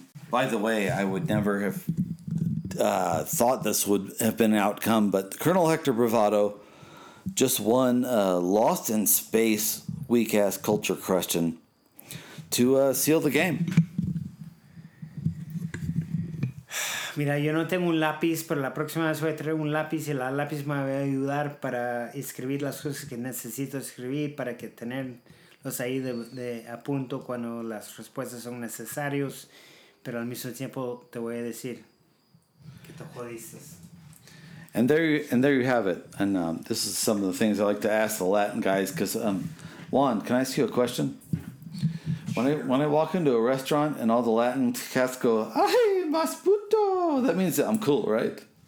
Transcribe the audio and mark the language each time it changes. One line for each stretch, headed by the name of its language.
English: By the way, I would never have thought this would have been an outcome, but Colonel Hector Bravado just won a Lost in Space weak-ass culture question to seal the game.
Spanish: Mira, yo no tengo un lápiz, pero la próxima vez voy a traer un lápiz y el lápiz me va a ayudar para escribir las cosas que necesito escribir para que tenerlos ahí de a punto cuando las respuestas son necesarias. Pero al mismo tiempo te voy a decir que te jodiste.
English: And there you have it. And this is some of the things I like to ask the Latin guys. Because Juan, can I ask you a question? When I walk into a restaurant and all the Latin cats go,
Spanish: "Ay, mas puto,"
English: that means that I'm cool, right?